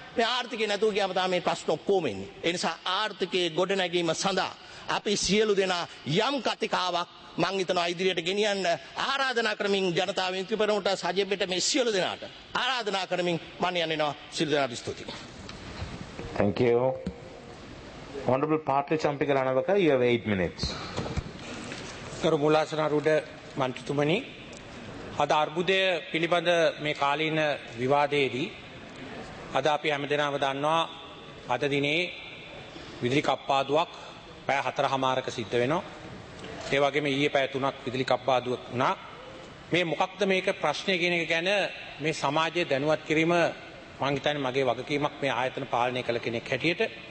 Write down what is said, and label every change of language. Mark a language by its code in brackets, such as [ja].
[si] මේ ආර්ථිකය නැතුව ගියම තමයි මේ ප්‍රශ්න ඔක්කොම එන්නේ. ඒ නිසා ආර්ථිකයේ ගොඩ නැගීම සඳහා අපි සියලු දෙනා යම් කතිකාවක් මම හිතනවා ඉදිරියට ගෙනියන්න ආරාධනා කරමින් ජනතාව වෙනුවෙන් පෙරමුණට සජීවෙට මේ සියලු දෙනාට ආරාධනා කරමින් මම යනවා සියලු දෙනාට ස්තුතියි. [en] Thank you. Honorable Patil Champikala Anavaka, you have 8 minutes. [si] කරු මුලාසනාරුඩ මන්ත්‍රීතුමනි, අද අර්බුදය පිළිබඳ මේ කාලීන විවාදයේදී අද අපි හැමදෙනාම දන්නවා අද දිනේ විදුලි කප්පාදුවක් පැය 4:00 සිද්ධ වෙනවා. ඒ වගේම ඊයේ පැය 3ක් විදුලි කප්පාදුවක් වුණා. මේ මොකක්ද මේක ප්‍රශ්නය කියන එක ගැන මේ සමාජයේ දැනුවත් කිරීම මම හිතන්නේ මගේ වගකීමක් මේ ආයතන පාලනය කළ කෙනෙක් හැටියට.